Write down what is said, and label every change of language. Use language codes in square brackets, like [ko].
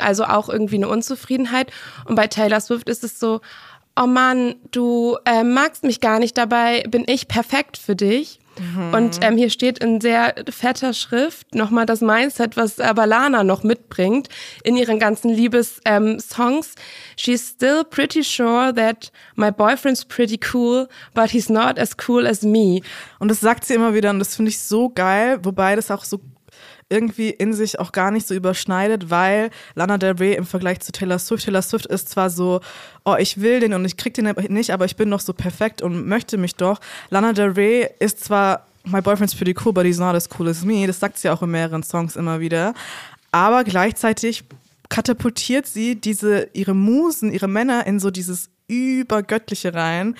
[de] Also auch irgendwie eine Unzufriedenheit. Und bei Taylor Swift ist es so, oh Mann, du magst mich gar nicht, dabei bin ich perfekt für dich. Mhm. Und hier steht in sehr fetter Schrift nochmal das Mindset, was aber Lana noch mitbringt in ihren ganzen Liebes-Songs. [en] She's still pretty sure that my boyfriend's pretty cool, but he's not as cool as me. [de] Und das sagt sie immer wieder und das finde ich so geil, wobei das auch so irgendwie in sich auch gar nicht so überschneidet, weil Lana Del Rey im Vergleich zu Taylor Swift ist zwar so, oh, ich will den und ich krieg den nicht, aber ich bin noch so perfekt und möchte mich doch. Lana Del Rey ist zwar, [en] my boyfriend's pretty cool, but he's not as cool as me, [de] das sagt sie auch in mehreren Songs immer wieder, aber gleichzeitig katapultiert sie ihre Musen, ihre Männer in so dieses übergöttliche rein,